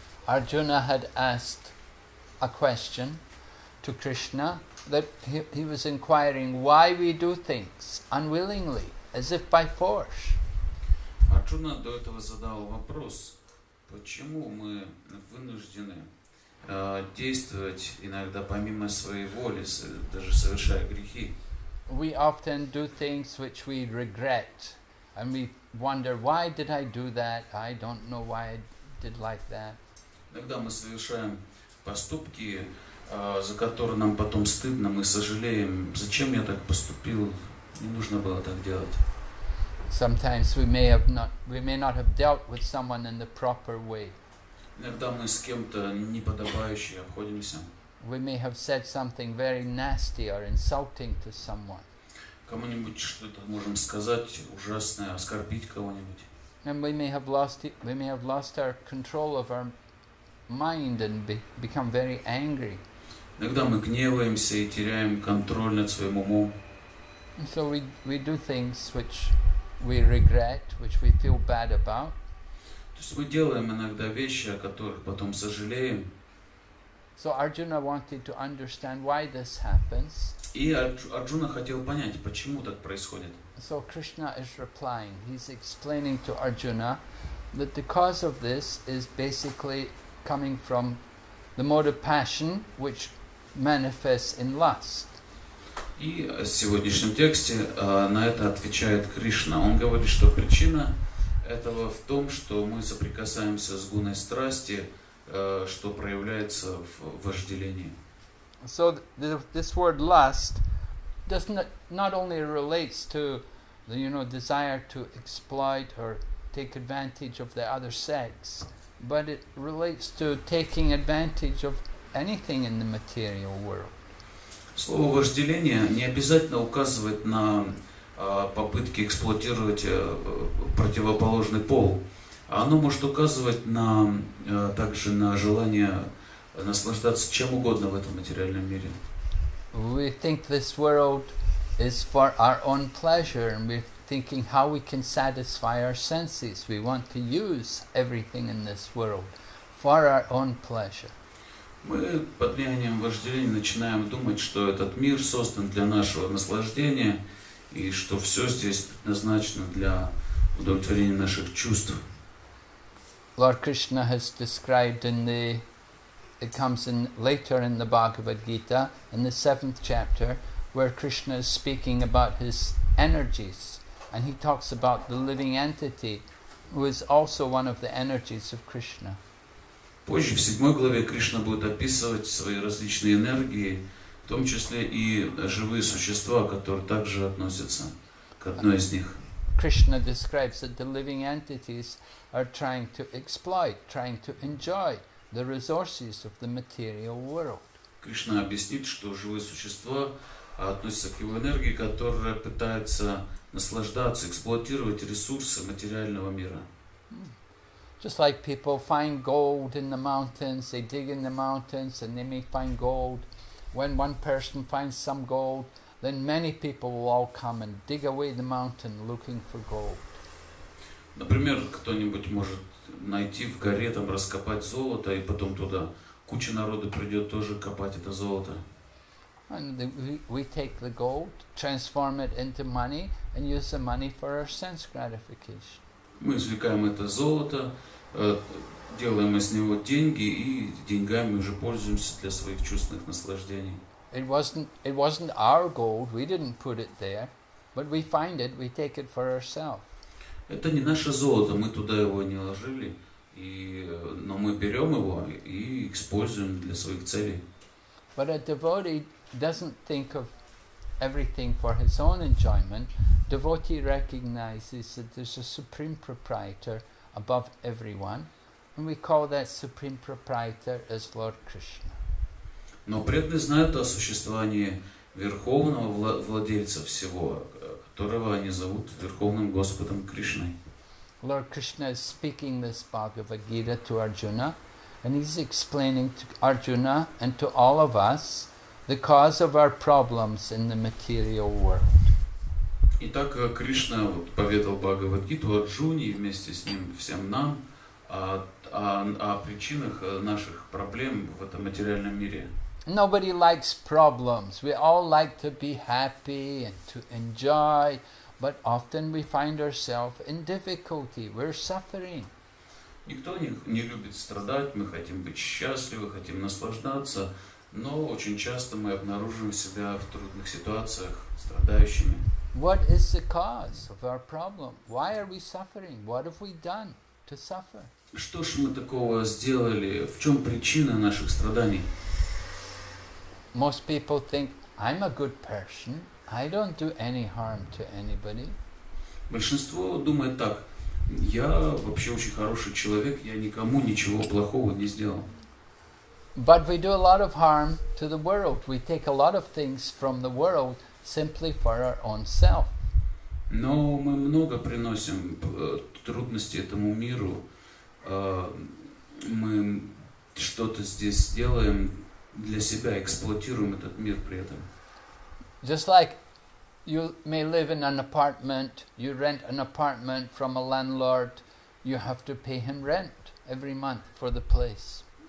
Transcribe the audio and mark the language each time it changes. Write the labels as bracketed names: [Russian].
[English] Arjuna had asked a question to Krishna that he was inquiring why we do things unwillingly. As if by force. [Russian] Арджуна до этого задал вопрос, почему мы вынуждены действовать иногда помимо своей воли, даже совершая грехи. [English] We often do things which we regret, and we wonder, why did I do that? I don't know why I did like that. [Russian] Иногда мы совершаем поступки, за которые нам потом стыдно, мы сожалеем, зачем я так поступил, не нужно было так делать. [English] Sometimes we may not have dealt with someone in the proper way. [Russian] Иногда мы с кем-то неподобающе обходимся. [English] We may have said something very nasty or insulting to someone. [Russian] Кому-нибудь что-то можем сказать ужасное, оскорбить кого-нибудь. [English] And we may have lost our control of our mind and become very angry. [Russian] Иногда мы гневаемся и теряем контроль над своим умом. [English] And so we do things which we regret, which we feel bad about. [Russian] То есть мы делаем иногда вещи, о которых потом сожалеем. [English] So Arjuna wanted to understand why this happens. И Арджуна хотел понять, почему так происходит. So Krishna is replying. He's explaining to Arjuna that the cause of this is basically coming from the mode of passion, which manifests in lust. [Russian] И в сегодняшнем тексте на это отвечает Кришна. Он говорит, что причина этого в том, что мы соприкасаемся с гуной страсти, что проявляется в вожделении. [English] So this word lust not only relates to the, you know, desire to exploit or take advantage of the other sex, but it relates to taking advantage of anything in the material world. [Russian] Слово «вожделение» не обязательно указывает на попытки эксплуатировать противоположный пол. Оно может указывать на, также на желание наслаждаться чем угодно в этом материальном мире. [English] We think this world is for our own pleasure, and we're thinking how we can satisfy our senses. We want to use everything in this world for our own pleasure. [Russian] Мы под влиянием вожделения начинаем думать, что этот мир создан для нашего наслаждения и что все здесь предназначено для удовлетворения наших чувств. [English] Lord Krishna has described it comes in later in the Bhagavad Gita, in the 7th chapter, where Krishna is speaking about his energies, and he talks about the living entity, who is also one of the energies of Krishna. [Russian] Позже, в 7 главе, Кришна будет описывать свои различные энергии, в том числе и живые существа, которые также относятся к одной из них. [English] Krishna describes that the living entities are trying to exploit, trying to enjoy the resources of the material world. [Russian] Krishna объяснит, что живые существа относятся к его энергии, которая пытается наслаждаться, эксплуатировать ресурсы материального мира. [English] Just like people find gold in the mountains, they dig in the mountains and they may find gold. When one person finds some gold, then many people will all come and dig away the mountain looking for gold. [Russian] Например, кто-нибудь может найти в горе, там раскопать золото, и потом туда куча народа придет тоже копать это золото. [English] And we take the gold, transform it into money, and use the money for our sense gratification. [Russian] Мы извлекаем это золото, делаем из него деньги и деньгами уже пользуемся для своих чувственных наслаждений. [English] It wasn't our gold, we didn't put it there, but we find it, we take it for ourselves. [Russian] Это не наше золото, мы туда его не ложили, но мы берем его и используем для своих целей. [English] But a devotee doesn't think of everything for his own enjoyment. Devotee recognizes that there's a supreme proprietor above everyone, and we call that supreme proprietor as Lord Krishna. [Russian] Но преданный знает о существовании верховного владельца всего, которого они зовут Верховным Господом Кришной. [English] Lord Krishna is speaking this Bhagavad Gita to Arjuna, and he's explaining to Arjuna and to all of us the cause of our problems in the material world. [Russian] Итак, Кришна поведал Бхагавад-гиту Арджуне и вместе с ним всем нам о причинах наших проблем в этом материальном мире. [English] Nobody likes problems. We all like to be happy and to enjoy, but often we find ourselves in difficulty. We're suffering. [Russian] Никто не любит страдать. Мы хотим быть счастливы, хотим наслаждаться, но очень часто мы обнаруживаем себя в трудных ситуациях, страдающими. [English] What is the cause of our problem? Why are we suffering? What have we done to suffer? [Russian] Что ж мы такого сделали? В чем причина наших страданий? [English] Most people think, I'm a good person. I don't do any harm to anybody. [Russian] Большинство думает так. Я вообще очень хороший человек. Я никому ничего плохого не сделал. [English] But we do a lot of harm to the world. We take a lot of things from the world simply for our own self. [Russian] Но мы много приносим трудности этому миру. Мы что-то здесь делаем для себя, эксплуатируем этот мир при этом. [English] Just like you may live in an apartment, you rent an apartment from a landlord, you have to pay him rent every month for the place.